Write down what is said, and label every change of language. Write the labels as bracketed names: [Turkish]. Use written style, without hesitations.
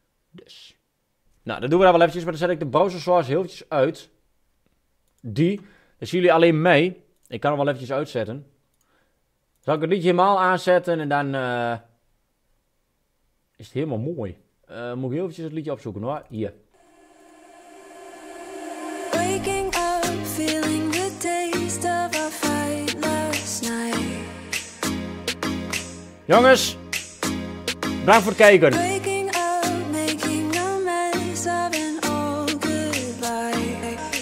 [Dutch] Dus. Nou, dan doen we dat wel eventjes, maar dan zet ik de browser source heel eventjes uit. Die. Dan zien jullie alleen mij. Ik kan hem wel eventjes uitzetten. Zal ik het liedje helemaal aanzetten en dan... is het helemaal mooi. Moet ik heel eventjes het liedje opzoeken, hoor. Hier. [English] Waking up, feeling the taste of our fight last night. [Dutch] Jongens, bedankt voor het kijken. [English] Waking up, making a mess of an old goodbye.